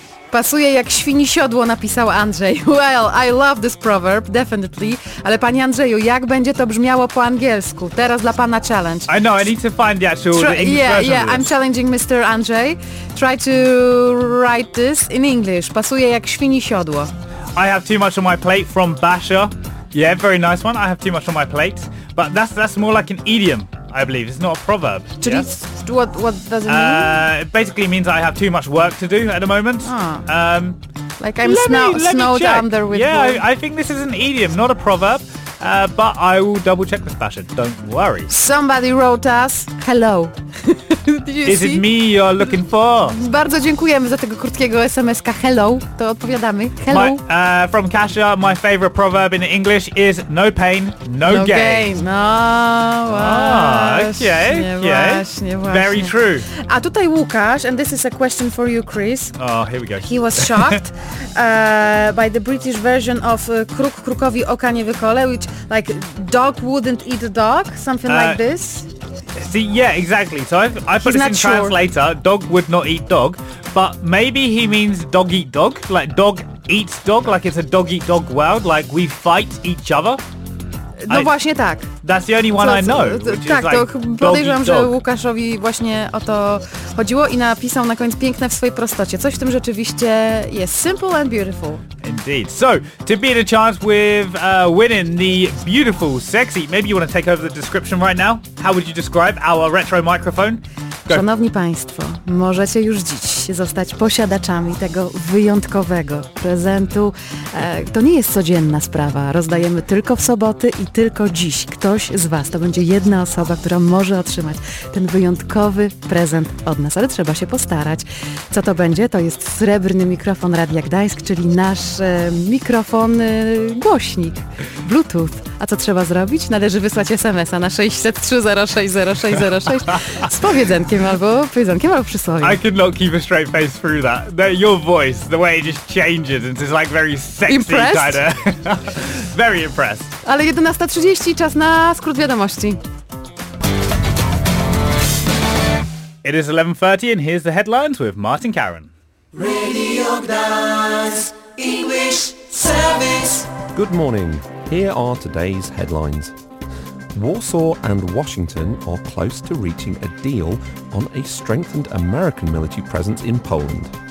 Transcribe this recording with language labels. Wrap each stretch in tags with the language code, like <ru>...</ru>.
<pl>Pasuje jak świni siodło, napisał Andrzej.</pl> <en>Well, I love this proverb, definitely.</en> <pl>Ale panie Andrzeju, jak będzie to brzmiało po angielsku? Teraz dla pana challenge.</pl> <en>I know, I need to find the actual English version. Yeah, I'm challenging Mr. Andrzej. Try to write this in English.</en> <pl>Pasuje jak świni siodło.</pl> <en>I have too much on my plate from Basha. Yeah, very nice one. I have too much on my plate. But that's more like an idiom, I believe. It's not a proverb. What does it mean? It basically means I have too much work to do at the moment. Like I'm snowed under with work. Yeah, I think this is an idiom, not a proverb. But I will double check with Basha, don't worry. Somebody wrote us, hello. Is it me you're looking for?</en> <pl>Bardzo dziękujemy za tego krótkiego SMS-ka.</pl> <en>Hello,</en> <pl>to odpowiadamy. Hello.</pl> <en>My, from Kasia, my favorite proverb in English is no pain, no gain.</en> <pl>No, właśnie.</pl> <en>Very true.</en> <pl>A tutaj</pl> <en>Łukasz, and this is a question for you, Chris. Oh, here we go. He was shocked by the British version of</en> <pl>kruk krukowi oka nie wykole,</pl> <en>which like dog wouldn't eat a dog, something like this. See, yeah, exactly. So I put this in translator, dog would not eat dog, but maybe he means dog eat dog, like dog eats dog, like it's a dog eat dog world, like we fight each other.</en> <pl>No właśnie tak.</pl> <en>That's the only one I know.</en> <pl>Tak,</pl> <en>like</en> <pl>to podejrzewam, że Łukaszowi właśnie o to chodziło i napisał na koniec piękne w swojej prostocie. Coś w tym rzeczywiście jest</pl> <en>simple and beautiful. Indeed. So, to be in a chance with winning the beautiful, sexy, maybe you want to take over the description right now? How would you describe our retro microphone? Go.</en> <pl>Szanowni Państwo, możecie już dziś zostać posiadaczami tego wyjątkowego prezentu. To nie jest codzienna sprawa. Rozdajemy tylko w soboty i tylko dziś. Ktoś z Was, to będzie jedna osoba, która może otrzymać ten wyjątkowy prezent od nas. Ale trzeba się postarać. Co to będzie? To jest srebrny mikrofon Radia Gdańsk, czyli nasz mikrofon głośnik Bluetooth. A co trzeba zrobić? Należy wysłać SMS-a na 603060606 z powiedzenkiem albo przysłowiem.</pl> <en>I could not keep a straight face through that. Your voice, the way it just changes, it's like very sexy. Impressed? Very impressed.</en> <pl>Ale 11.30, czas na skrót wiadomości.</pl> <en>It is 11.30 and here's the headlines with Martin Caron. Radio Gdansk, English Service. Good morning. Here are today's headlines. Warsaw and Washington are close to reaching a deal on a strengthened American military presence in Poland.</en>